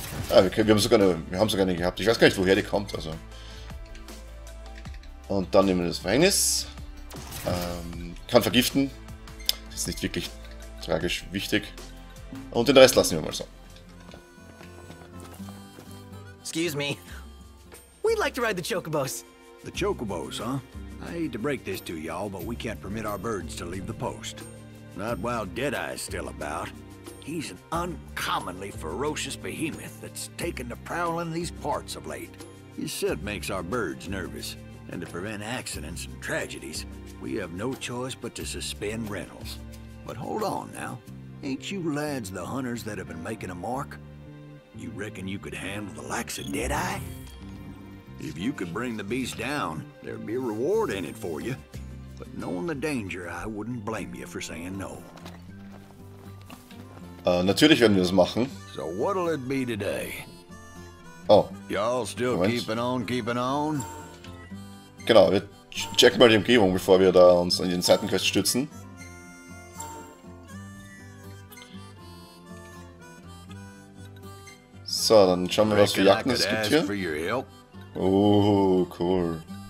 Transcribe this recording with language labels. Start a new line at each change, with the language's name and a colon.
German: Ah, wir haben sogar eine gehabt. Ich weiß gar nicht, woher die kommt. Also. Und dann nehmen wir das Verhängnis. Kann vergiften. Ist nicht wirklich tragisch wichtig. Und den Rest lassen wir mal so.
English: Excuse me. We'd like to ride the chocobos. The chocobos, huh? I hate to break this to y'all, but we can't permit our birds to leave the post. Not while Deadeye's still about. He's an uncommonly ferocious behemoth that's taken to prowling these parts of late. His scent makes our birds nervous, and to prevent accidents and tragedies, we have no choice but to suspend rentals. But hold on now. Ain't you lads the hunters that have been making a mark? You reckon you could handle the likes of Deadeye? If you could bring the beast down, there'd be a reward in it for you. But knowing the danger, I wouldn't blame you for saying no.
German: Natürlich werden wir das machen.
English: So what'll it be today? Oh. Y'all still keeping on, keeping on?
German: Genau, wir checken mal die Umgebung, bevor wir da uns in den Seitenquest stützen. So, dann schauen wir, was für Jagden es gibt hier. Oh, cool.